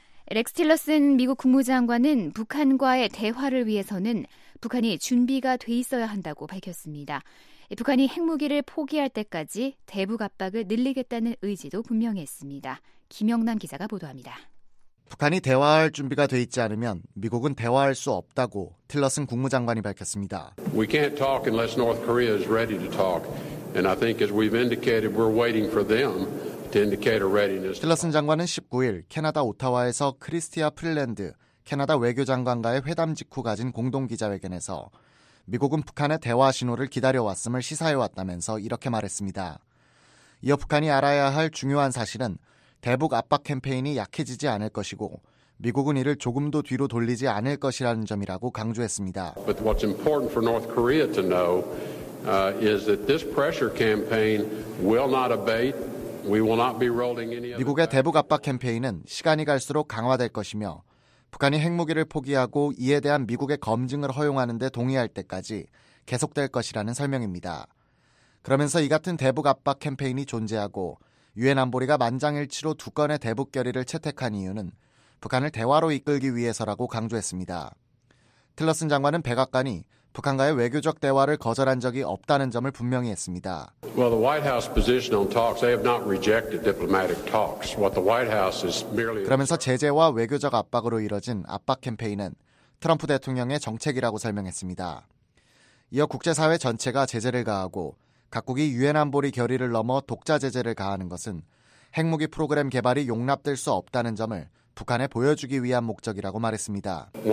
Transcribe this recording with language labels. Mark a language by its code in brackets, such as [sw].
[ko] 렉스 틸러슨 미국 국무장관은 북한과의 대화를 위해서는 북한이 준비가 돼 있어야 한다고 밝혔습니다. 북한이 핵무기를 포기할 때까지 대북 압박을 늘리겠다는 의지도 분명했습니다. 김영남 기자가 보도합니다. 북한이 대화할 준비가 돼 있지 않으면 미국은 대화할 수 없다고 틸러슨 국무장관이 밝혔습니다. [en] We can't talk unless North Korea is ready to talk. And I think as we've indicated, we're waiting for them to indicate a readiness. [ko] 틸러슨 장관은 19일 캐나다 오타와에서 크리스티아 프릴랜드 캐나다 외교장관과의 회담 직후 가진 공동 기자회견에서 미국은 북한의 대화 신호를 기다려왔음을 시사해왔다면서 이렇게 말했습니다. 이어 북한이 알아야 할 중요한 사실은 대북 압박 캠페인이 약해지지 않을 것이고 미국은 이를 조금도 뒤로 돌리지 않을 것이라는 점이라고 강조했습니다. [en] But what's important for North Korea to know is that this pressure campaign will not abate. We will not be rolling any. [ko] 미국의 대북 압박 캠페인은 시간이 갈수록 강화될 것이며 북한이 핵무기를 포기하고 이에 대한 미국의 검증을 허용하는 데 동의할 때까지 계속될 것이라는 설명입니다. 그러면서 이 같은 대북 압박 캠페인이 존재하고 유엔 안보리가 만장일치로 두 건의 대북 결의를 채택한 이유는 북한을 대화로 이끌기 위해서라고 강조했습니다. 틸러슨 장관은 백악관이 북한과의 외교적 대화를 거절한 적이 없다는 점을 분명히 했습니다. [en] Well, the White House position on talks, they have not rejected diplomatic talks. What the White House is merely [ko] 그러면서 제재와 외교적 압박으로 이뤄진 압박 캠페인은 트럼프 대통령의 정책이라고 설명했습니다. 이어 국제사회 전체가 제재를 가하고 각국이 유엔 안보리 결의를 넘어 독자 제재를 가하는 것은 핵무기 프로그램 개발이 용납될 수 없다는 점을 북한에 보여주기 위한 목적이라고 말했습니다.